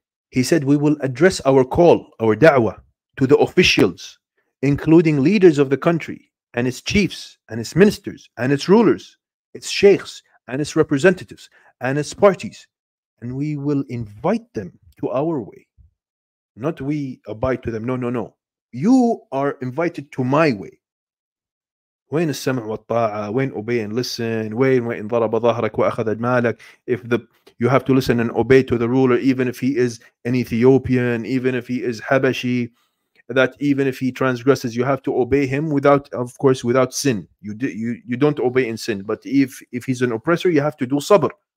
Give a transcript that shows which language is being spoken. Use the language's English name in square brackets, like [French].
[English] He said, we will address our call, our da'wah, to the officials, including leaders of the country, and its chiefs, and its ministers, and its rulers, its sheikhs, and its representatives, and its parties. And we will invite them to our way. Not we abide to them. No, no, no. You are invited to my way. When is sam' wa ta'a? When obey and listen? When [Arabic] ضرب ظهرك وأخذ مالك? [English] If you have to listen and obey to the ruler, even if he is an Ethiopian, even if he is Habashi, that even if he transgresses, you have to obey him without, of course, without sin. You don't obey in sin. But if he's an oppressor, you have to do sabr.